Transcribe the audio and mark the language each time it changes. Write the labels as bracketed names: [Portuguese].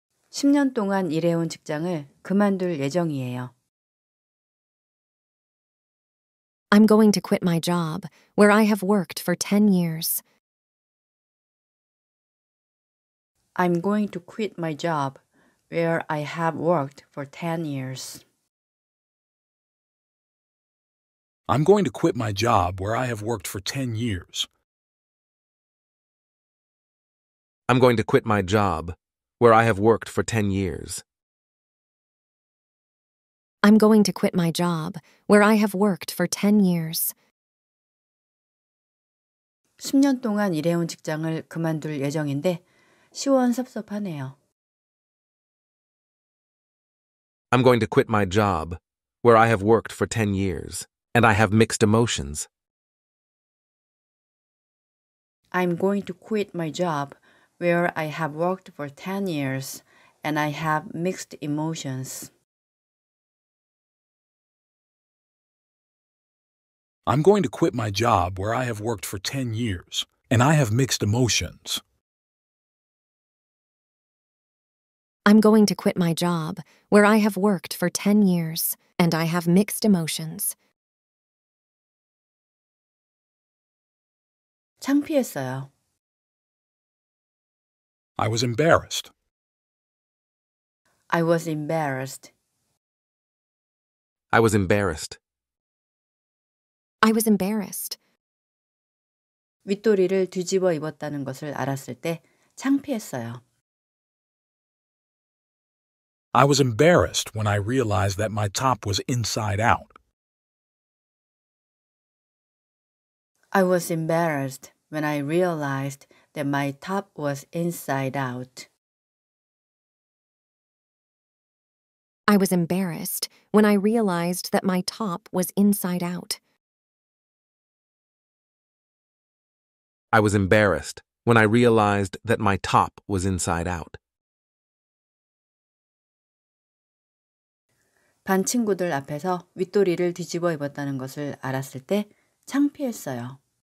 [Korean] 10년 동안 일해온 직장을 그만둘 예정이에요. [English] I'm going to quit my job where I have worked for 10 years. I'm going to quit my job where I have worked for 10 years. I'm going to quit my job where I have worked for 10 years. I'm going to quit my job where I have worked for 10 years. I'm going to quit my job where I have worked for 10 years. [Korean] 10년 동안 일해온 직장을 그만둘 예정인데 시원섭섭하네요. [English] I'm going to quit my job where I have worked for 10 years, and I have mixed emotions. I'm going to quit my job where I have worked for 10 years and I have mixed emotions. I'm going to quit my job where I have worked for 10 years and I have mixed emotions. I'm going to quit my job where I have worked for 10 years and I have mixed emotions. [Korean] 창피했어요. [English] I was embarrassed. I was embarrassed. I was embarrassed. I was embarrassed. [Korean] 윗도리를 뒤집어 입었다는 것을 알았을 때 창피했어요. [English] I was embarrassed when I realized that my top was inside out. I was embarrassed when I realized that my top was inside out. I was embarrassed when I realized that my top was inside out. I was embarrassed when I realized that my top was inside out. [Korean] 반 친구들 앞에서 윗도리를 뒤집어 입었다는 것을 알았을 때 창피했어요.